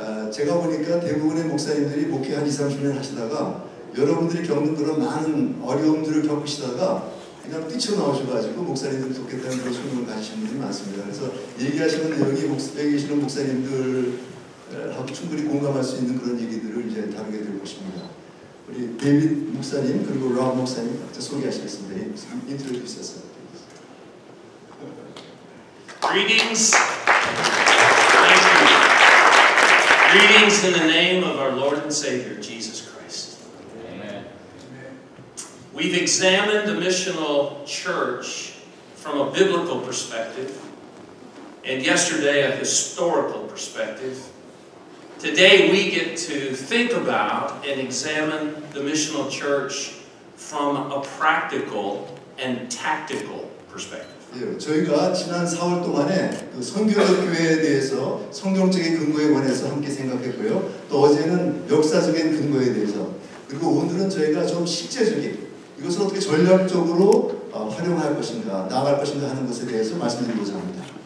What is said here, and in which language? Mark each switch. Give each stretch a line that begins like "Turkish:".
Korean: 제가 보니까 대부분의 목사님들이 목회 한 2, 30년 하시다가 여러분들이 겪는 그런 많은 어려움들을 겪으시다가 그냥 뛰쳐나오셔가지고 목사님들 돕겠다는 그런 소문을 가지신 분들이 많습니다. 그래서 얘기하시는 내용이 목사에 계시는 목사님들하고 충분히 공감할 수 있는 그런 얘기들을 이제 다루게 될 것입니다. 우리 데빗 목사님 그리고 랍 목사님 각자 소개하시겠습니다.
English: 인트로듀스. Greetings. Greetings in the name of our Lord and Savior, Jesus Christ. Amen. We've examined the missional church from a biblical perspective, and yesterday a historical perspective. Today we get to think about and examine the missional church from a practical and tactical perspective.
Korean: 예, 저희가 지난 4월 동안에 그 선교교회에 대해서 성경적인 근거에 관해서 함께 생각했고요. 또 어제는 역사적인 근거에 대해서 그리고 오늘은 저희가 좀 실제적인 이것을 어떻게 전략적으로 활용할 것인가 나아갈 것인가 하는 것에 대해서 말씀드리고자 합니다.